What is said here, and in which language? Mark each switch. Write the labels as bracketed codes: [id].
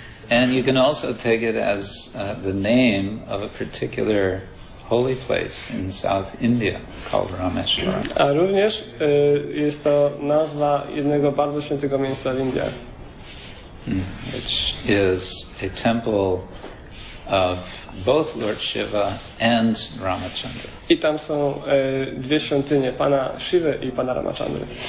[en] And you can also take it as the name of a particular holy place in South India called Rameshwara. [pl] A również jest to nazwa jednego bardzo świętego miejsca w Indiach. [en] Which is a temple of both Lord Shiva and Ramachandra. [pl] I tam są dwie świątynie, Pana Shivy i Pana Ramachandry.